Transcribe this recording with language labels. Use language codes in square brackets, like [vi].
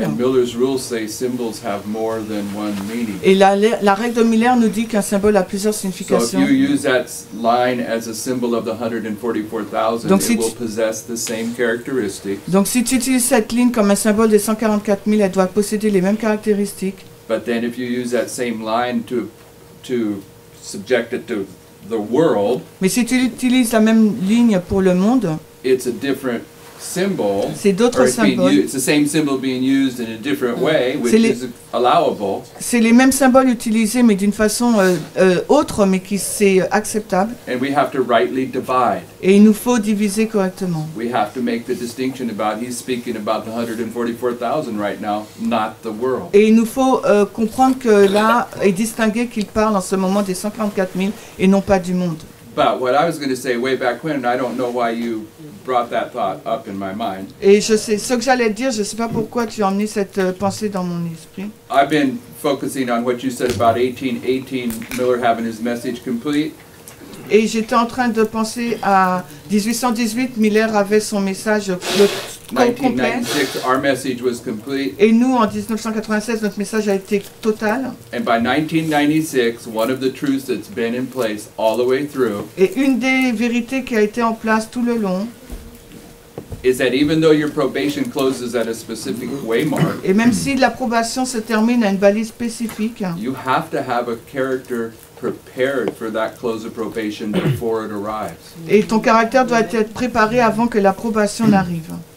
[en] And Miller's rules say symbols have more than one meaning. [fr] Et la règle de Miller nous dit qu'un symbole a plusieurs significations. [en] So if you use that line as a symbol of the 144,000, it will possess the same characteristics. [fr] Donc si tu utilises cette ligne comme un symbole des 144,000, elle doit posséder les mêmes caractéristiques. [en] But then if you use that same line to subject it to the world. [fr] Mais si tu utilises la même ligne pour le monde. [en] It's a different symbol. [fr] C'est d'autres symboles. [en] It's the same symbol being used in a different way, which is allowable. [fr] C'est les mêmes symboles utilisés, mais d'une façon autre, mais qui c'est acceptable. [en] And we have to rightly divide. [fr] Et il nous faut diviser correctement. [en] We have to make the distinction about he's speaking about the 144,000 right now, not the world. [fr] Et il nous faut comprendre que là et distinguer qu'il parle en ce moment des 144,000 et non pas du monde. [en] But what I was going to say way back when, and I don't know why you brought that thought up in my mind. [fr] Et je sais ce que j'allais dire. Je sais pas pourquoi tu as emmené cette pensée dans mon esprit. [en] I've been focusing on what you said about 1818 Miller having his message complete. [fr] Et j'étais en train de penser à 1818 Miller avait son message complet. [en] 1996, our message was complete. [fr] Et nous, en 1996, notre message a été total. [en] And by 1996, one of the truths that's been in place all the way through. [fr] Et une des vérités qui a été en place tout le long. [en] Is that even though your probation closes at a specific waymark. [fr] Et même si la probation se termine à une balise spécifique. [en] You have to have a character prepared for that close of probation before it arrives. [fr] Et ton caractère doit être préparé avant que la probation n'arrive.